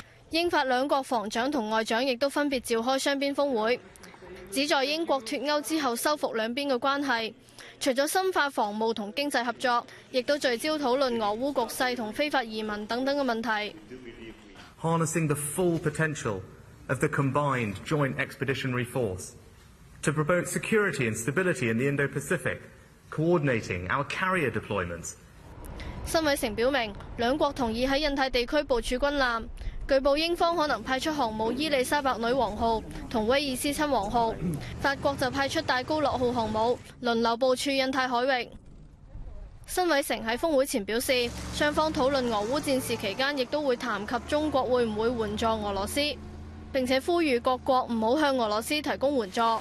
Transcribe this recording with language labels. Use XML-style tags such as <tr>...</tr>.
<yue>英法兩國防長同外長亦都分別召開雙邊峰會，旨在英國脫歐之後修復兩邊嘅關係。除咗深化防務同經濟合作，亦都聚焦討論俄烏局勢同非法移民等等嘅問題。</yue> <en>Harnessing the full potential of the combined joint expeditionary force to promote security and stability in the Indo-Pacific, coordinating our carrier deployments。</en> <yue>辛偉成表明，兩國同意喺印太地區部署軍艦。據報英方可能派出航母伊麗莎白女王號和威爾斯親王號，法國就派出戴高樂號航母，輪流部署印太海域。辛偉成在峰會前表示，雙方討論俄烏戰事期間亦都會談及中國會不會援助俄羅斯，並且呼籲各國不要向俄羅斯提供援助。</yue>